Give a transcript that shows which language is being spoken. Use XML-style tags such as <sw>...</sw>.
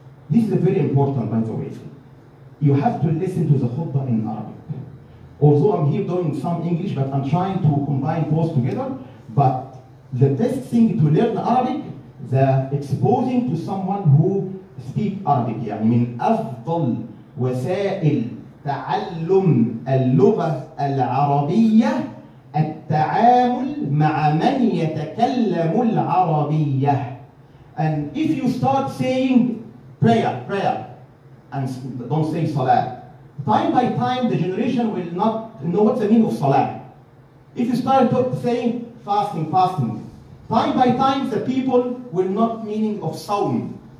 <en>This is very important, by the way. You have to listen to the khutbah in Arabic. Although I'm here doing some English, but I'm trying to combine both together. But the best thing to learn Arabic, the exposing to someone who speaks Arabic.</en> <ar>يعني من أفضل وسائل تعلم اللغة العربية التعامل مع من يتكلم العربية.</ar> <en>And if you start saying prayer, and don't say salah, time by time the generation will not know what's the meaning of salah. If you start saying fasting, time by time the people will not meaning of sawm.</en>